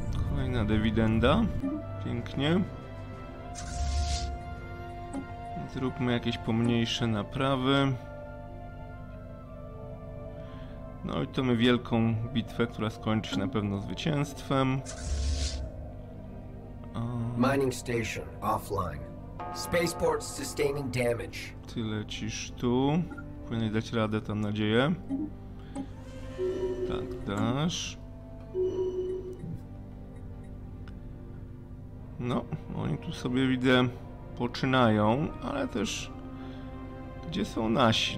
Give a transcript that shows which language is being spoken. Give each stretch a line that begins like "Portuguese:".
Polish: Kolejna dywidenda. Pięknie. Zróbmy jakieś pomniejsze naprawy. No i to my wielką bitwę, która skończy się na pewno zwycięstwem.
English: Mining station offline. Spaceport sustaining damage.
Polish: Ty lecisz tu. Powinieneś dać radę, tam nadzieję. Tak, dasz. No, oni tu sobie widzę poczynają, ale też gdzie są nasi?